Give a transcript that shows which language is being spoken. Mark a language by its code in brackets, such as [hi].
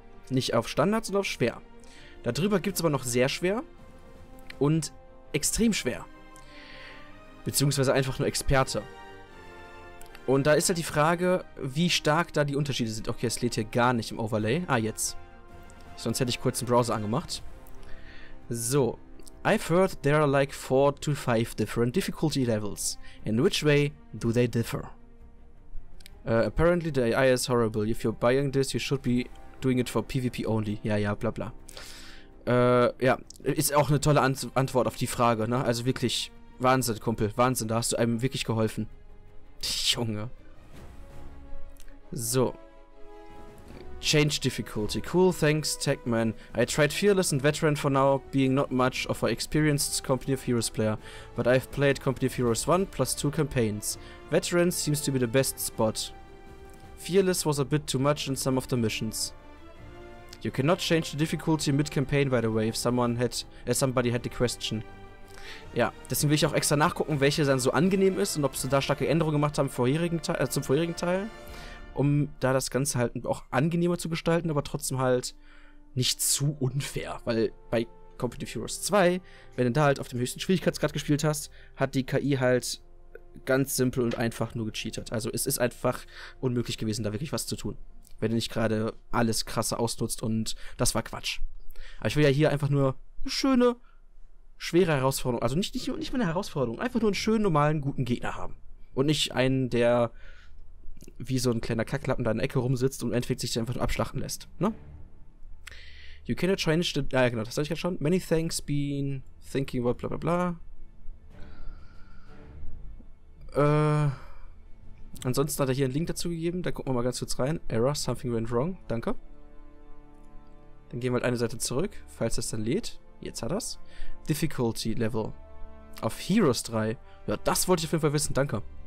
[de] Nicht auf Standard, sondern auf schwer. Darüber gibt es aber noch sehr schwer und extrem schwer. Beziehungsweise einfach nur Experte. Und da ist halt die Frage, wie stark da die Unterschiede sind. Okay, es lädt hier gar nicht im Overlay. Ah, jetzt. Sonst hätte ich kurz den Browser angemacht. So. [en] I've heard there are like 4 to 5 different difficulty levels. In which way do they differ? Apparently the AI is horrible. If you're buying this, you should be doing it for PvP only. [de] Ja, ja, bla bla. Ja, ist auch eine tolle Antwort auf die Frage, ne? Also wirklich, Wahnsinn, Kumpel, Wahnsinn, da hast du einem wirklich geholfen. Junge. So. [en] Change difficulty. Cool, thanks, Techman. I tried Fearless and Veteran for now, being not much of an experienced Company of Heroes player, but I've played Company of Heroes 1 plus 2 campaigns. Veteran seems to be the best spot. Fearless was a bit too much in some of the missions. You cannot change the difficulty mid-campaign, by the way, if somebody had the question. [de] Ja, deswegen will ich auch extra nachgucken, welche dann so angenehm ist und ob sie da starke Änderungen gemacht haben zum vorherigen Teil. Um da das Ganze halt auch angenehmer zu gestalten, aber trotzdem halt nicht zu unfair. Weil bei Company of Heroes 2, wenn du da halt auf dem höchsten Schwierigkeitsgrad gespielt hast, hat die KI halt ganz simpel und einfach nur gecheatert. Also es ist einfach unmöglich gewesen, da wirklich was zu tun. Wenn du nicht gerade alles krasse ausnutzt und das war Quatsch. Aber ich will ja hier einfach nur eine schöne, schwere Herausforderung, also nicht mal eine Herausforderung, einfach nur einen schönen, normalen, guten Gegner haben. Und nicht einen, der wie so ein kleiner Kacklappen da in der Ecke rumsitzt und entwickelt sich einfach nur abschlachten lässt, ne? [en] You cannot change the... [de] Ah, genau, das sag ich ja schon. [en] Many thanks, been thinking about bla bla bla. [de] Ansonsten hat er hier einen Link dazu gegeben, da gucken wir mal ganz kurz rein. [en] Error, something went wrong, [de] danke. Dann gehen wir halt eine Seite zurück, falls das dann lädt. Jetzt hat er's. Difficulty Level. Auf Heroes 3. Ja, das wollte ich auf jeden Fall wissen, danke.